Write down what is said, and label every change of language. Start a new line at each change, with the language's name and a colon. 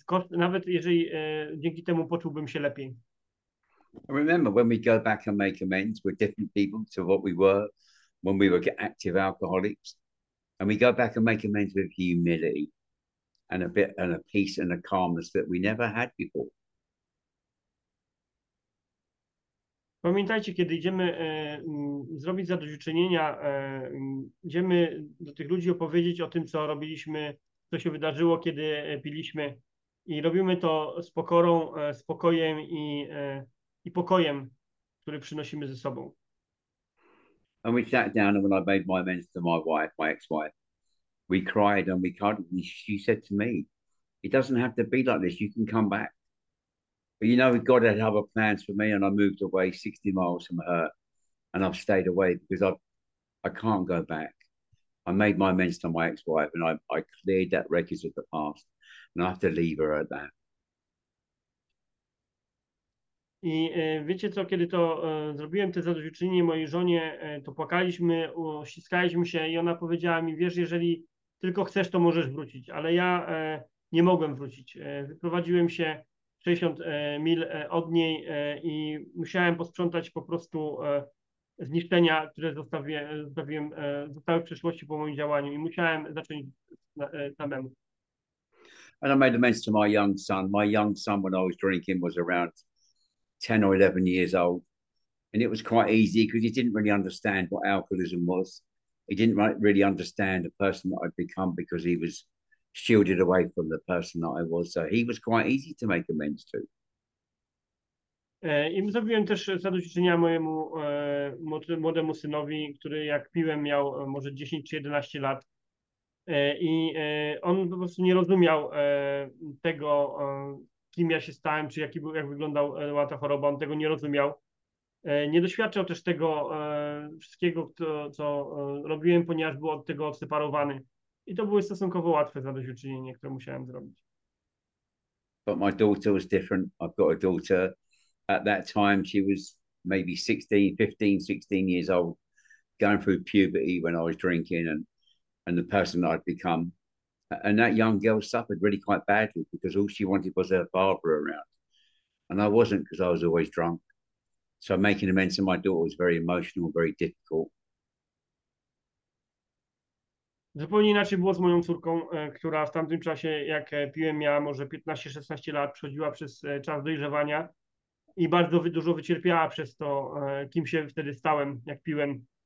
Polish: Nawet jeżeli dzięki temu poczułbym się lepiej.
English: Remember, when we go back and make amends, we're different people to what we were when we were active alcoholics. And we go back and make amends with humility and a bit and a peace and a calmness that we never had before.
Polish: Pamiętajcie, kiedy idziemy zrobić zadośćuczynienia, idziemy do tych ludzi opowiedzieć o tym, co robiliśmy, co się wydarzyło, kiedy piliśmy, i robimy to z pokorą, spokojem i pokojem, który przynosimy ze sobą.
English: And we sat down, and when I made my amends to my wife, my ex-wife, we cried and we cuddled. And she said to me, "It doesn't have to be like this. You can come back. But you know, God had other plans for me, and I moved away 60 miles from her, and I've stayed away because I can't go back. I made my amends to my ex-wife, and I cleared that wreckage of the past, and I have to leave her at that."
Polish: I wiecie co, kiedy to zrobiłem, te zadośćuczynienie mojej żonie, to płakaliśmy, uściskaliśmy się i ona powiedziała mi: wiesz, jeżeli tylko chcesz, to możesz wrócić. Ale ja nie mogłem wrócić. Wyprowadziłem się 60 mil od niej i musiałem posprzątać po prostu zniszczenia, które zostały w przeszłości po moim działaniu, i musiałem zacząć samemu.
English: And I made amends to my young son. My young son, when I was drinking, was around 10 or 11 years old. And it was quite easy because he didn't really understand what alcoholism was. He didn't really understand the person that I'd become because he was shielded away from the person that I was. So he was quite easy to make amends to.
Polish: I zrobiłem też zadośćuczynienia mojemu młodemu synowi, który jak piłem miał może 10 czy 11 lat. I on po prostu nie rozumiał tego, kim ja się stałem, czy jak wyglądała ta choroba. On tego nie rozumiał. Nie doświadczał też tego wszystkiego, co robiłem, ponieważ był od tego odseparowany. I to były stosunkowo łatwe zadośćuczynienie, które musiałem zrobić.
English: But my daughter was different. I've got a daughter. At that time, she was maybe 16, 15, 16 years old, going through puberty when I was drinking and the person that I'd become. And that young girl suffered really quite badly because all she wanted was her father around. And I wasn't because I was always drunk. So making amends to my daughter was very emotional, very difficult.
Polish: Zupełnie inaczej było z moją córką, która w tamtym czasie, jak piłem, miała może 15-16 lat, przechodziła przez czas dojrzewania i bardzo dużo wycierpiała przez to, kim się wtedy stałem, jak piłem.